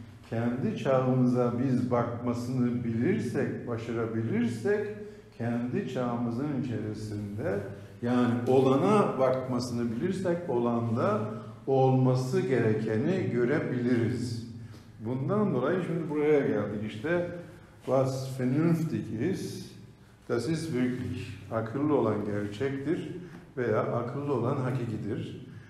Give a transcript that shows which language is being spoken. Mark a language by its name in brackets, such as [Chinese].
[Turkish] Kendi çağımıza biz bakmasını bilirsek, başarabilirsek kendi çağımızın içerisinde, yani olana bakmasını bilirsek olanda olması gerekeni görebiliriz. Bundan dolayı şimdi buraya geldik işte. [German] Was vernünftig ist, das ist wirklich. [Turkish] Akıllı olan gerçektir veya akıllı olan hakikidir.